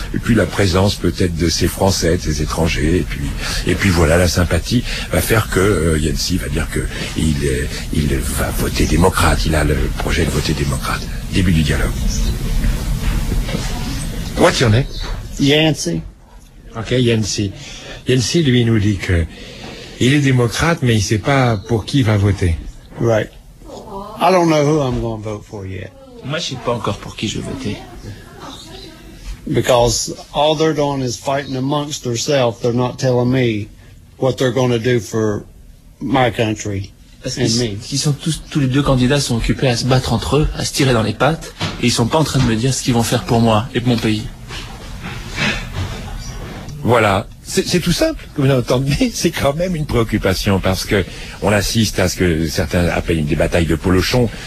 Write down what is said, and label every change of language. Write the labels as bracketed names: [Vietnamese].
[French] Et puis, la présence, peut-être, de ces Français, de ces étrangers. Et puis, voilà, la sympathie va faire que Yancy va dire qu'il va voter démocrate. Il a le projet de voter démocrate. Début du dialogue. [English] What's your name? Yancy. Ok, Yancy. [French] Yancy, lui, nous dit que il est démocrate, mais il sait pas pour qui il va voter. [English] Right. I don't know who I'm going to vote for yet. [French] Moi, je sais pas encore pour qui je vais voter. [English] Because all they're doing is fighting amongst themselves. They're not telling me what they're going to do for my country. [French] Tous les deux candidats sont occupés à se battre entre eux, à se tirer dans les pattes, et ils sont pas en train de me dire ce qu'ils vont faire pour moi et pour mon pays. Voilà. C'est tout simple, comme vous l'entendez. C'est quand même une préoccupation, parce que on assiste à ce que certains appellent des batailles de polochons.